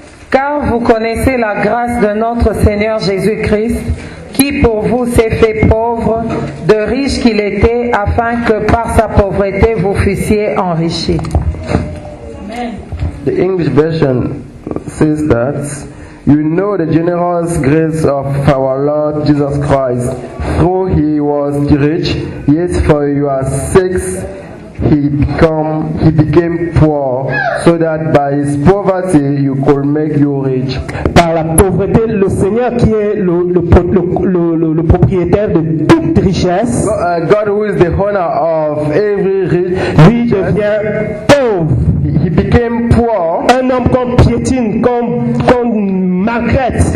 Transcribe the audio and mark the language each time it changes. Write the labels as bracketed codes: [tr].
[fr] Car vous connaissez la grâce de notre Seigneur Jésus-Christ, qui pour vous s'est fait pauvre, de riche qu'il était, afin que par sa pauvreté vous fussiez enrichis. [en] The English version says that you know the generous grace of our Lord Jesus Christ, though he was rich, yet for your sakes he became poor, so that by his poverty you could make you rich. [fr] Par la pauvreté, le Seigneur qui est le propriétaire de toute richesse, [en] God who is the owner of every rich, [fr] lui devient pauvre. [en] He became poor. [fr] Un homme qu'on piétine, qu'on maltraite.